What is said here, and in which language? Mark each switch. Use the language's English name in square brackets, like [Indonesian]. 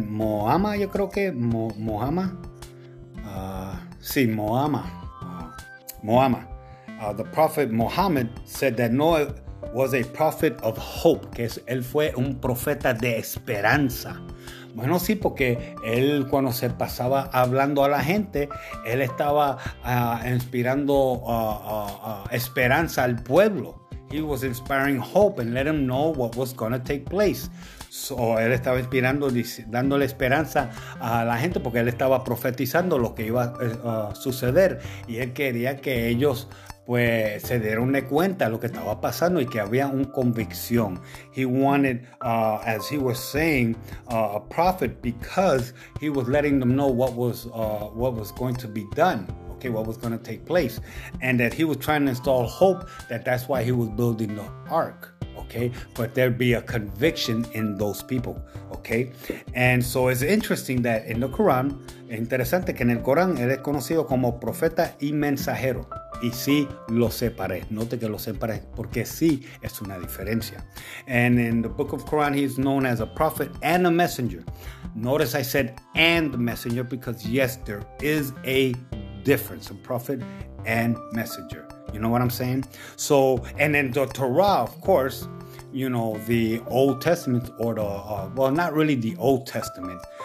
[English] Mohammed, yo creo que, Mohammed, the prophet Mohammed said that Noah was a prophet of hope, que él fue un profeta de esperanza. [Spanish] Bueno, sí, porque él cuando se pasaba hablando a la gente, él estaba inspirando esperanza al pueblo. [English] He was inspiring hope and let them know what was going to take place. [Spanish] So, él estaba inspirando, dándole esperanza a la gente porque él estaba profetizando lo que iba a suceder. Y él quería que ellos pues se dieron de cuenta de lo que estaba pasando y que había una convicción. [English] He wanted, as he was saying, a prophet because he was letting them know what was going to be done. Okay, what was going to take place, and that he was trying to install hope, that that's why he was building the ark, okay? But there'd be a conviction in those people, okay? [Spanish] And so it's interesting that in the Quran, interesante que en el Corán, él es conocido como profeta y mensajero. Y sí, lo separé. Note que lo separé, porque sí, es una diferencia. [English] And in the book of Quran, he's known as a prophet and a messenger. Notice I said and messenger, because yes, there is a difference, a prophet and messenger. You know what I'm saying? So, and then the Torah, of course, you know, the Old Testament or the, well, not really the Old Testament.